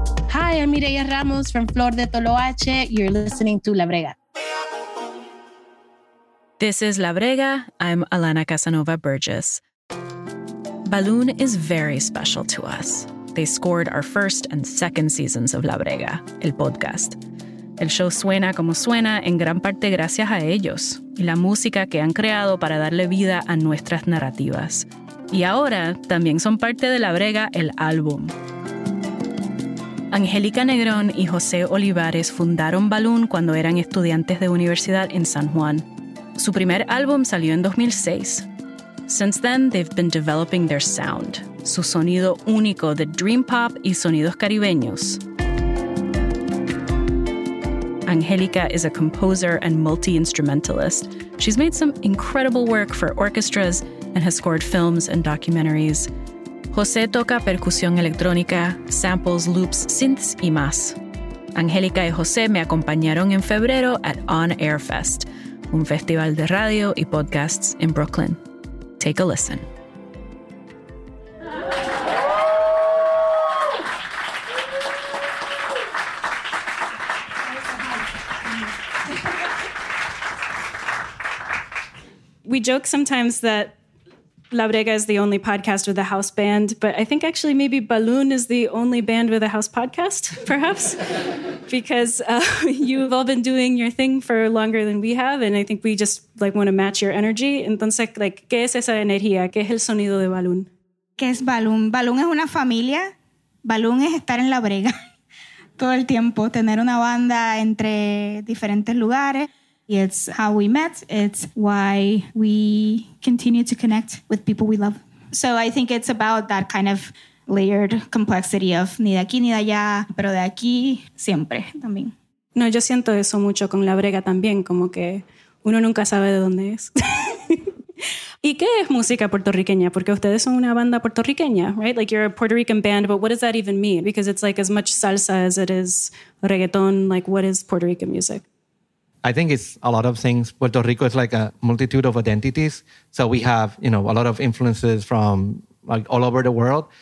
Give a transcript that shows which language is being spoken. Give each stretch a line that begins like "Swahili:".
English: Hi, I'm Mireya Ramos from Flor de Toloache. You're listening to La Brega. This is La Brega. I'm Alana Casanova Burgess. Balloon is very special to us. They scored our first and second seasons of La Brega, el podcast.
Spanish: El show suena como suena en gran parte gracias a ellos y la música que han creado para darle vida a nuestras narrativas. Y ahora también son parte de La Brega, el álbum. Angélica Negrón y José Olivares fundaron Balloon cuando eran estudiantes de universidad en San Juan. Su primer álbum salió en 2006.
English: Since then, they've been developing their sound,
Spanish: su sonido único de dream pop y sonidos caribeños.
English: Angélica is a composer and multi-instrumentalist. She's made some incredible work for orchestras and has scored films and documentaries.
Spanish: José toca percusión electrónica, samples, loops, synths y más. Angélica y José me acompañaron en febrero at On Air Fest, un festival de radio y podcasts
English: in Brooklyn. Take a listen. We joke sometimes that La Brega is the only podcast with a house band, but I think actually maybe Balloon is the only band with a house podcast, perhaps, because you've all been doing your thing for longer than we have, and I think we just like want to match your energy.
Spanish: Entonces, like, ¿qué es esa energía? ¿Qué es el sonido de Balloon? ¿Qué es Balloon? Balloon es una familia. Balloon es estar en La Brega todo el tiempo, tener una banda entre diferentes lugares.
English: It's how we met. It's why we continue to connect with people we love. So I think it's about that kind of layered complexity of
Spanish: ni de aquí ni de allá, pero de aquí siempre también. No, yo siento eso mucho con La Brega también, como que uno nunca sabe de dónde es. ¿Y qué es música puertorriqueña? Porque ustedes son una banda puertorriqueña, right?
English: Like, you're a Puerto Rican band, but what does that even mean? Because it's like as much salsa as it is reggaeton. Like, what is Puerto Rican music? I think it's a lot of things. Puerto Rico is like a multitude of identities. So we have, you know, a lot of influences from like all over the world.